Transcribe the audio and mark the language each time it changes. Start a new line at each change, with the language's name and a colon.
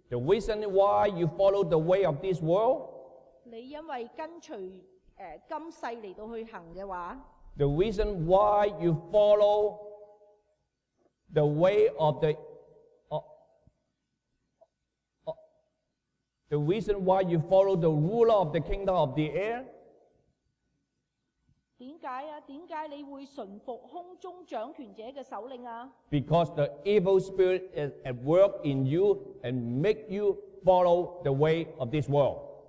English: The reason why you follow the way of this world?
Chinese: 你因为跟随今世来到去行的话，
English: the reason why you follow the way of the reason why you follow the ruler of the kingdom of the air?
Chinese: 为什么啊? 为什么你会顺服空中掌权者的首领啊?
English: Because the evil spirit is at work in you and make you follow the way of this world.